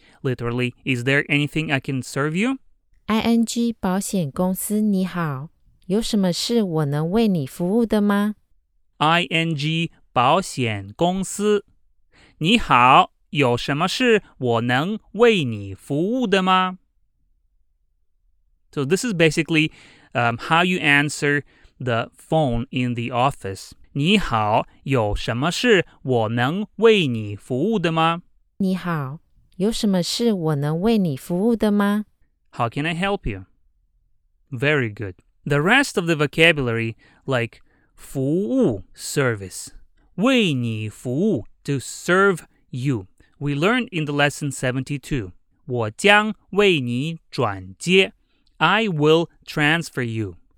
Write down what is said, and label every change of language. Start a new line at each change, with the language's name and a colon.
English: Literally, is there anything I can serve you?
Chinese: ING, 保险公司你好有什么事我能为你服务的吗 ? ING,保险公司你好有什么事我能为你服务的吗
English: So this is basically how you answer the phone in the office.
Chinese: 你好有什么事我能为你服务的吗你好有什么事我能为你服务的吗
English: How can I help you? Very good. The rest of the vocabulary like 服务 service. 为你服务, to serve you. We learned in the lesson 72.
Chinese: 我将为你转接.
English: I will transfer you.